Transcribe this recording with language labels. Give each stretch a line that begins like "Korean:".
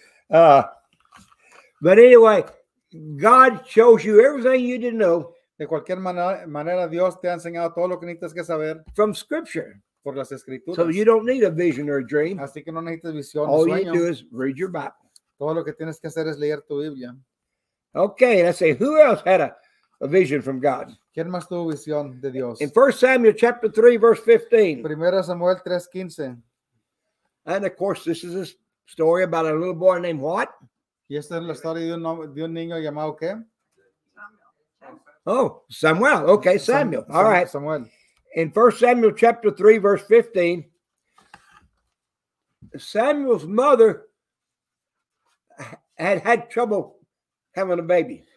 English: But anyway, God shows you everything you didn't know.
Spanish: De cualquier manera, Dios te ha enseñado todo lo que necesitas que saber.
English: From Scripture.
Spanish: Por las Escrituras.
English: So you don't need a vision or a dream.
Spanish: Así que no necesitas visión.
English: All
Spanish: o sueño.
English: You do is read your Bible.
Spanish: Todo lo que tienes que hacer es leer tu Biblia.
English: Okay, let's say who else had a vision from God.
Spanish: ¿Quién más tuvo visión de Dios?
English: In 1 Samuel chapter 3, verse 15.
Spanish: Primera Samuel 3:15.
English: And of course, this is a story about a little boy named what?
Spanish: Y esta es la historia de un niño llamado qué?
English: Oh, Samuel. Okay, Samuel. All right.
Spanish: Samuel.
English: In 1 Samuel chapter 3, verse 15, Samuel's mother had had trouble having a baby.